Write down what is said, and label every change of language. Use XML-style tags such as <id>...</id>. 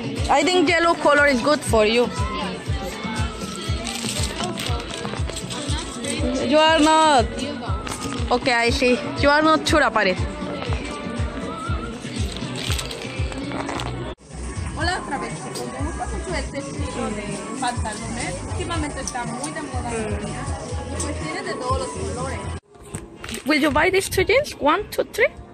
<en>I think yellow color is good for you. You are not. Okay, I see. You are not sure about it.</en> <es>Hola otra vez. Me gusta mucho este estilo de pantalones. Últimamente está muy de moda. Pues tiene de todos los colores.</es> <en>Will you buy these two jeans? 1, 2, 3?</en>